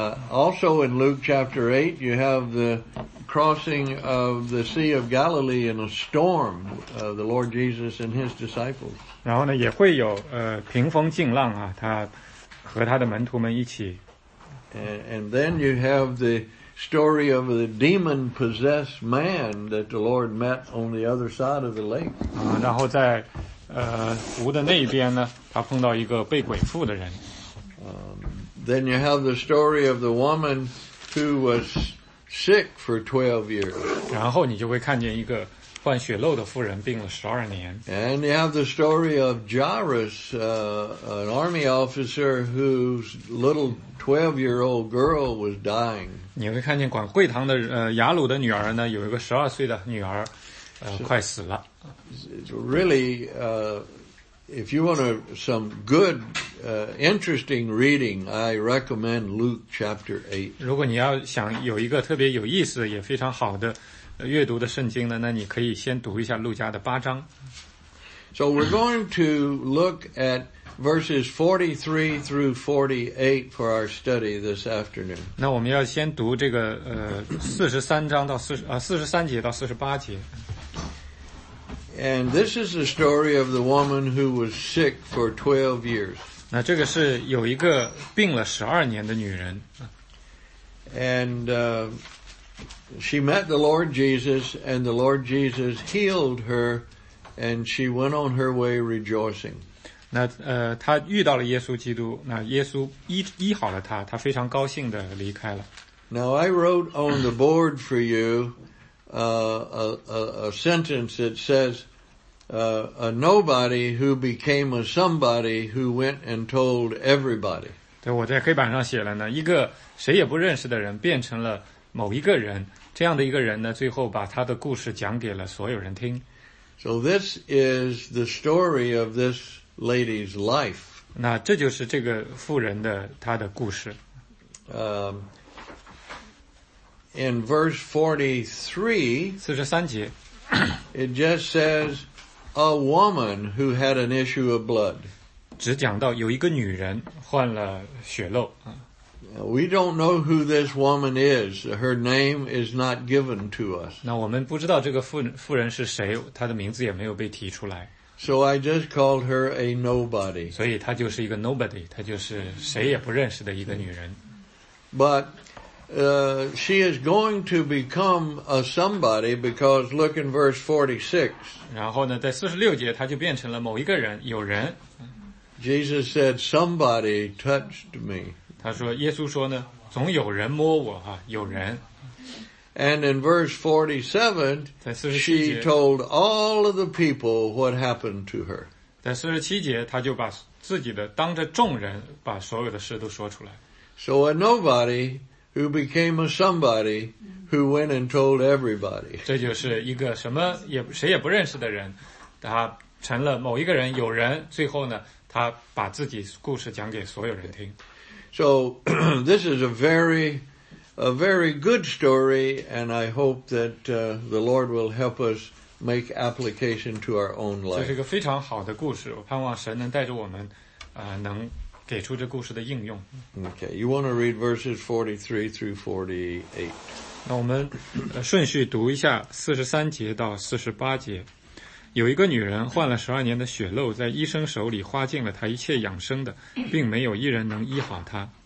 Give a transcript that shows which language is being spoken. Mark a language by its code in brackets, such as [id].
[en] Also in Luke chapter 8, you have the crossing of the Sea of Galilee in a storm, the Lord Jesus and his disciples. [zh] 然后呢，也会有平风静浪啊，他和他的门徒们一起。 [en] And then you have the story of the demon-possessed man that the Lord met on the other side of the lake. [zh] 然后在湖的那边呢，他碰到一个被鬼附的人。 [en] Then you have the story of the woman who was sick for 12 years. [zh] 然后你就会看见一个患血漏的妇人病了12年。 [en] And you have the story of Jairus, an army officer whose little 12-year-old girl was dying. [zh] 你会看见管会堂的雅鲁的女儿呢，有一个12岁的女儿快死了。 [en] Really, if you want some good, interesting reading, I recommend Luke chapter 8. [zh] 如果你要想有一个特别有意思也非常好的阅读的圣经呢，那你可以先读一下路加的八章。 [en] So we're going to look at verses 43 through 48 for our study this afternoon. [zh] 那我们要先读这个43节到48节。 [en] And this is the story of the woman who was sick for 12 years. [zh] 那这个是有一个病了12年的女人。 [en] And she met the Lord Jesus, and the Lord Jesus healed her, and she went on her way rejoicing. [zh] 那她遇到了耶稣基督，那耶稣医好了她，她非常高兴地离开了。 [en] Now I wrote on the board for you, a sentence that says, a nobody who became a somebody who went and told everybody. [zh] 对，我在黑板上写了呢，一个谁也不认识的人变成了某一个人，这样的一个人呢，最后把他的故事讲给了所有人听。 [en] So this is the story of this lady's life. [zh] 那这就是这个妇人的她的故事。 [en] In verse 43, it just says, a woman who had an issue of blood. [zh] 只讲到有一个女人患了血漏。 [en] We don't know who this woman is. Her name is not given to us. [zh] 那我们不知道这个妇人是谁，她的名字也没有被提出来。 [en] So I just called her a nobody. [zh] 所以她就是一个 nobody, 她就是谁也不认识的一个女人。 [en] But,she is going to become a somebody because look in verse 46. [zh] 然后呢，在46节，他就变成了某一个人，有人。 [en] Jesus said, somebody touched me. [zh] 他说，耶稣说呢，总有人摸我啊，有人。 [en] And in verse 47, [zh] 在47节 [en] she told all of the people what happened to her. [zh] 在47节，他就把自己的当着众人把所有的事都说出来。 [en] So a nobody,who became a somebody who went and told everybody. [zh] 这就是一个什么也谁也不认识的人，他成了某一个人，有人，最后呢，他把自己故事讲给所有人听。 [en] So, this is a very good story, and I hope that the Lord will help us make application to our own life. [zh] 这是一个非常好的故事，我盼望神能带着我们能给出这故事的应用。 [en] Okay, you want to read verses 43 through 48. [zh] 那我们顺序读一下43节到48节。有一个女人患了12年的血漏，在医生手里花尽了她一切养生的，并没有一人能医好她。